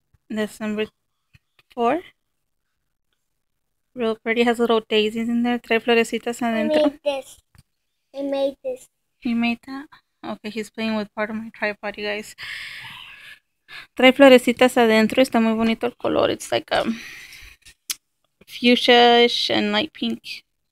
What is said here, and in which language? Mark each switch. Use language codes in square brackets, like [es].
[en] This number 4. Real pretty. Has little daisies in there. [es] Trae florecitas adentro. [en] I made this. He made that? Okay, he's playing with part of my tripod, you guys. [es] Trae florecitas adentro, está muy bonito el color. [en] It's like a fuchsia-ish and light pink.